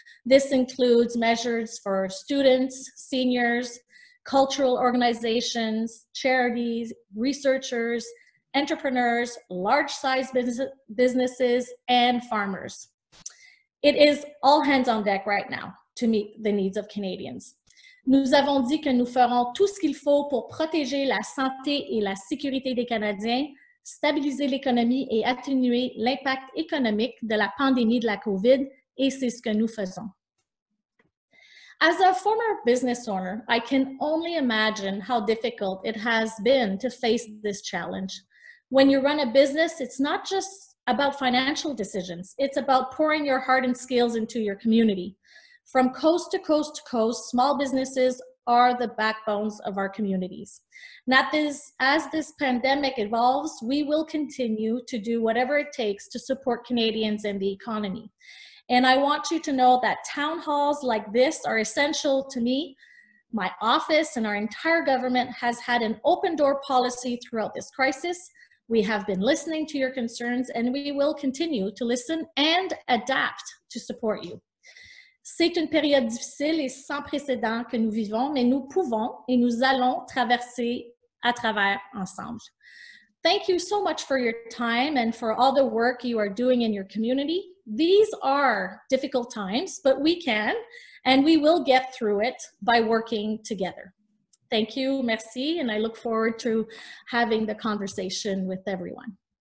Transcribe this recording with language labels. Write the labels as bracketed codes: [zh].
[en] This includes measures for students, seniors, cultural organizations, charities, researchers, entrepreneurs, large-sized businesses, and farmers. It is all hands on deck right now to meet the needs of Canadians. [fr] Nous avons dit que nous ferons tout ce qu'il faut pour protéger la santé et la sécurité des Canadiens, stabiliser l'économie et atténuer l'impact économique de la pandémie de la COVID, et c'est ce que nous faisons. [en] As a former business owner, I can only imagine how difficult it has been to face this challenge. When you run a business, it's not just about financial decisions. It's about pouring your heart and skills into your community. From coast to coast to coast, small businesses are the backbones of our communities. As this pandemic evolves, we will continue to do whatever it takes to support Canadians and the economy. And I want you to know that town halls like this are essential to me. My office and our entire government has had an open door policy throughout this crisis. We have been listening to your concerns and we will continue to listen and adapt to support you. [fr] C'est une période difficile et sans précédent que nous vivons, mais nous pouvons et nous allons traverser à travers ensemble. [en] Thank you so much for your time and for all the work you are doing in your community. These are difficult times, but we can and we will get through it by working together. Thank you, merci, and I look forward to having the conversation with everyone.